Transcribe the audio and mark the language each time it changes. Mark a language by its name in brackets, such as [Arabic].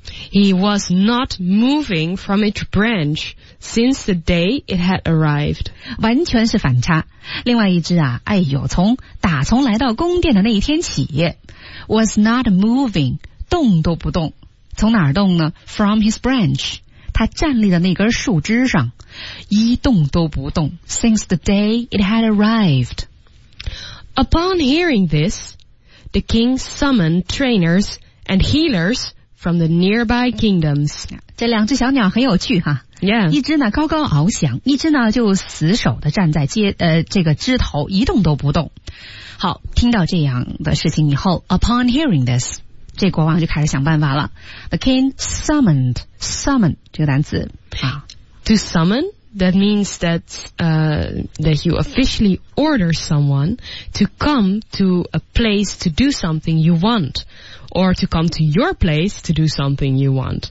[English] He was not moving from its branch since the day it had arrived. [Chinese] 完全是反差。另外一只啊，哎呦，打从来到宫殿的那一天起 ， [English] was not moving， [Chinese] 动都不动。从哪儿动呢 ？ [English] From his branch， [Chinese] 他站立的那根树枝上，一动都不动。 [English] Since the day it had arrived. Upon hearing this, the king summoned trainers and healers. From the nearby kingdoms. [Chinese] 这两只小鸟很有趣哈。 [English] Yeah. [Chinese] 一只呢高高翱翔，一只呢就死守地站在这个枝头一动都不动。好，听到这样的事情以后 , [English] upon hearing this, [Chinese] 这国王就开始想办法了。 [English] The king summoned, [Chinese] 这个单词。 [English] To summon That means that, that you officially order someone to come to a place to do something you want, or to come to your place to do something you want.